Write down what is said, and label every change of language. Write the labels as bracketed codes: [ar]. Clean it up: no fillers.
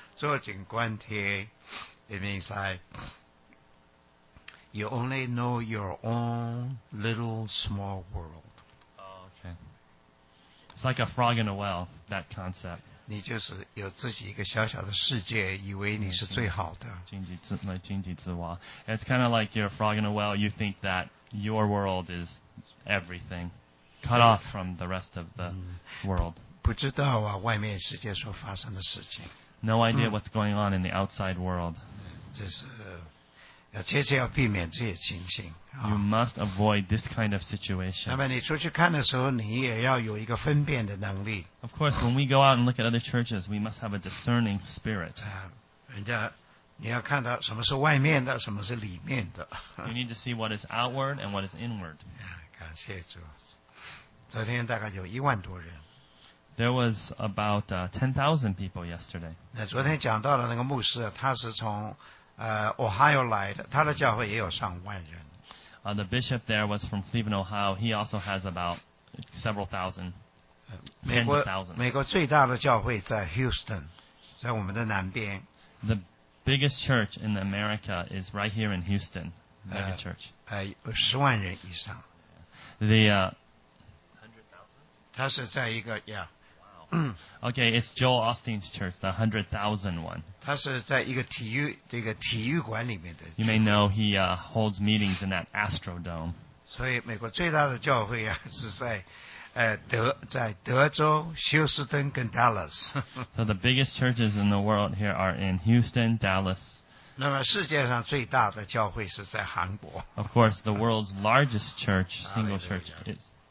[zh] 坐井观天 [en] it means like you only know your own little small world. Oh, okay. It's like a frog in a well, that concept. [zh] 你就是有自己一个小小的世界，以为你是最好的。井底之蛙 [en] It's kind of like you're a frog in a well. You think that your world is everything. Cut off from the rest of the world. [zh] 不知道啊，外面世界所发生的事情。 [en] No idea what's going on in the outside world. [zh] 这是要切切要避免这些情形。 [en] You must avoid this kind of situation. [zh] 那么你出去看的时候，你也要有一个分辨的能力。 [en] Of course, when we go out and look at other churches, we must have a discerning spirit. [zh] 人家你要看到什么是外面的，什么是里面的。 [en] You need to see what is outward and what is inward. [zh] 感谢主。昨天大概有一万多人。 [en] There was about 10,000 people yesterday. [zh] 那昨天讲到的那个牧师，他是从Ohio 来的，他的教会也有上万人。 [en] The bishop there was from Cleveland, Ohio. He also has about several thousand, tens of thousands. [zh] 美国最大的教会在 Houston， 在我们的南边。 [en] The biggest church in America is right here in Houston, mega church. [zh] 十万人以上。 [en] The Wow. Okay, it's Joel Osteen's church, the 100,000 one. [zh] 他是在一个体育这个体育馆里面的。 [en] You may know he holds meetings in that Astrodome. [zh] 所以美国最大的教会啊是在在德州、休斯顿跟 Dallas. [en] So the biggest churches in the world here are in Houston, Dallas. [zh] 那么世界上最大的教会是在韩国。 [en] Of course, the world's largest church, single church, is.